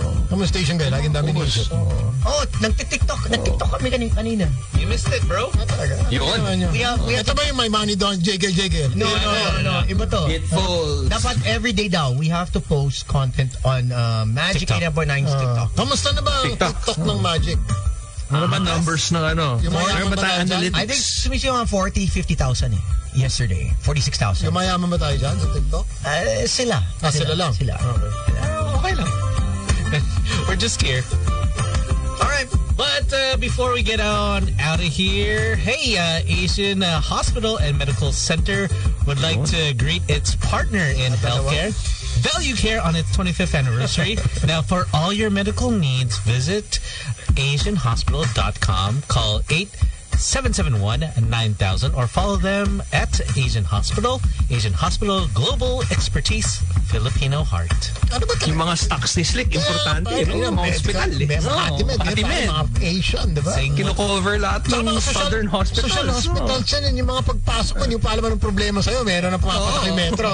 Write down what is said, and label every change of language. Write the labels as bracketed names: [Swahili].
[Filipino] Tama sa station guy, laging dami niya. Nag-tiktok kami kanina. [English] You missed it, bro. [Filipino] Yun. Ito ba yung My Money Don't Jiggle? No. Iba to. [English] It falls. Dapat every day daw, we have to post content on Magic 89.9's TikTok. [Filipino] Kamusta na ba ang TikTok ng Magic? Mga numbers na ano? [English] I think [Filipino] sumisi yung 40, 50,000 eh. [English] Yesterday, 46,000. [Filipino] Yung mayaman ba tayo dyan sa TikTok? Sila. Ah, sila lang? Sila. [English] Okay lang. We're just here. Alright, but before we get on out of here, hey, Asian Hospital and Medical Center would like to greet its partner in healthcare, Value Care, on its 25th anniversary. Now, for all your medical needs, visit AsianHospital.com. Call 8-771-9000 or follow them at Asian Hospital. Asian Hospital, global expertise, Filipino heart. [Filipino] Ano ba yung mga stocks ni Slick, importante. Yeah, yung mga hospital. Pati-med. Asian, di ba? Kino-cover lahat ng southern hospitals. Social hospitals yan. Yung mga pagpasok ko, yung paalaman ng problema sa'yo, meron na papatak yung metro.